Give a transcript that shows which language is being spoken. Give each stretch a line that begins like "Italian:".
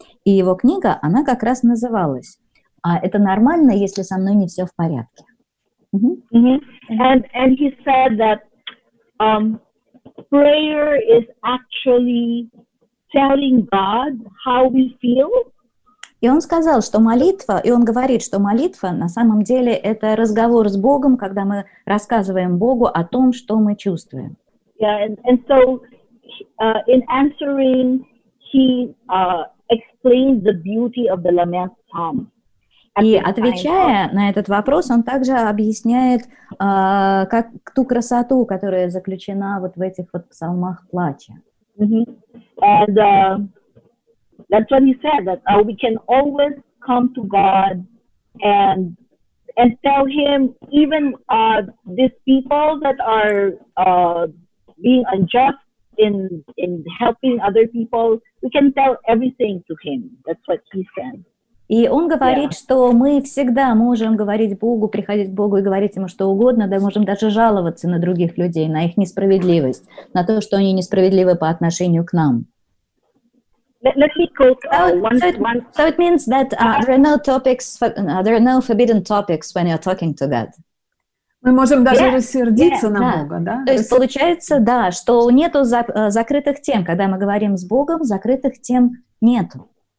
Russian: И его книга, она как раз называлась «А это нормально, если со мной не все в порядке?»
English: And he said that prayer is actually telling God how we feel.
Russian: И он сказал, что молитва, и он говорит, что молитва на самом деле это разговор с Богом, когда мы рассказываем Богу о том, что мы чувствуем.
English: Yeah, and so in answering, he explained the beauty of the lament psalm.
Russian: И отвечая на этот вопрос, он также объясняет, как ту красоту, которая заключена вот в этих вот псалмах плача.
English: And that's what he said, that we can always come to God and tell him, even these people that are being unjust in helping other people, we can tell everything to him. That's what he said.
Russian: И он говорит, что мы всегда можем говорить Богу, приходить к Богу и говорить ему что угодно, да, можем даже жаловаться на других людей, на их несправедливость, на то, что они несправедливы по отношению к нам.
English: Let me quote So it means that there are no topics, there are no forbidden topics when you're talking to God.
Russian: Мы можем даже рассердиться на Бога, да? То есть получается, да, что нету закрытых тем, когда мы говорим с Богом, закрытых тем нету.